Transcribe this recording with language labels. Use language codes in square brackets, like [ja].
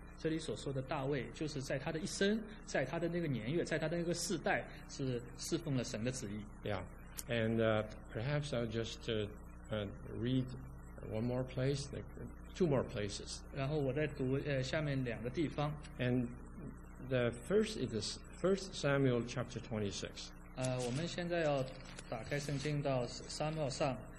[zh] 这里所说的大卫，就是在他的一生，在他的那个年月，在他的那个世代，是侍奉了神的旨意。 [en] Yeah, and perhaps I'll just read one more place, two more places. [zh] 然后我再读下面两个地方。 [en] And the first is First Samuel chapter 26. [zh] 我们现在要打开圣经到撒母耳上。